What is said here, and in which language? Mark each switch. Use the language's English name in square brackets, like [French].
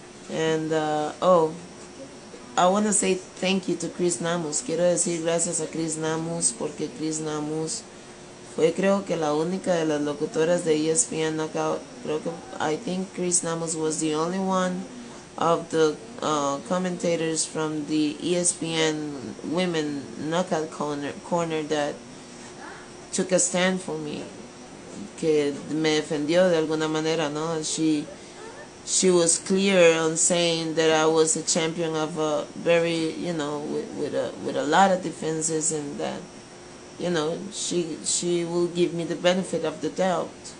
[English] And, I want to say thank you to Chris Namus. [Spanish] Quiero decir gracias a Chris Namus, porque Chris Namus fue, creo que, la única de las locutoras de ESPN Knockout. Creo que, [English] I think Chris Namus was the only one of the commentators from the ESPN Women Knockout Corner that took a stand for me. [Spanish] Que me defendió de alguna manera, ¿no? [English] She was clear on saying that I was a champion of a very, you know, with a lot of defenses, and that, you know, she will give me the benefit of the doubt.